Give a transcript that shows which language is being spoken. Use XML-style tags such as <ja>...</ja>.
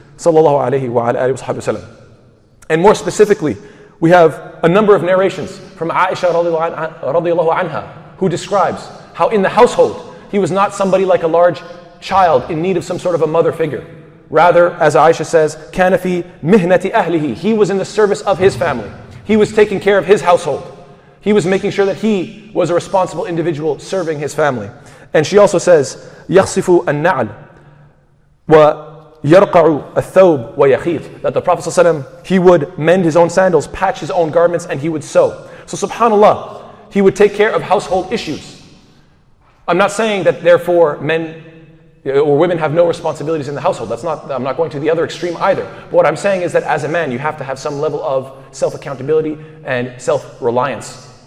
<en>Sallallahu alayhi wa ala alihi wa sallam. And more specifically, we have a number of narrations from Aisha radiallahu anha, who describes how in the household, he was not somebody like a large child in need of some sort of a mother figure. Rather, as Aisha says,</en> <ar>كَانَ فِي مِهْنَةِ أَهْلِهِ.</ar> <en>He was in the service of his family. He was taking care of his household. He was making sure that he was a responsible individual serving his family. And she also says,</en> <ar>يَخْصِفُ النَّعَلْ وَيَرْقَعُ الثَّوْبْ وَيَخِيطْ.</ar> <en>That the Prophet ﷺ, he would mend his own sandals, patch his own garments, and he would sew. So subhanAllah, he would take care of household issues. I'm not saying that therefore men or women have no responsibilities in the household. I'm not going to the other extreme either. But what I'm saying is that as a man, you have to have some level of self-accountability and self-reliance.</en>